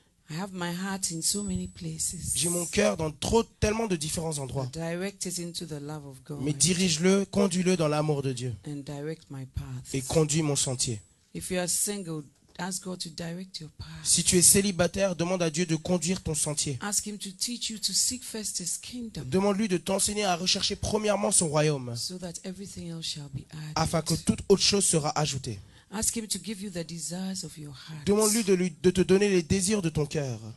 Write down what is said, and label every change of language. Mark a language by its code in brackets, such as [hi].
[en] I have my heart in so many places. [fr] J'ai mon cœur dans tellement de différents endroits. [en] Direct it into the love of God. [fr] Mais dirige-le, conduis-le dans l'amour de Dieu. [en] And direct my path. [fr] Et conduis mon sentier. [en] If you are single, ask God to direct your path. [fr] Si tu es célibataire, demande à Dieu de conduire ton sentier. [en] Ask him to teach you to seek first his kingdom. [fr] Demande-lui de t'enseigner à rechercher premièrement son royaume. [en] So that everything else shall be added. [fr] Afin que toute autre chose sera ajoutée. [en] Ask him to give you the desires of your heart. [fr] Demande-lui de te donner les désirs de ton cœur.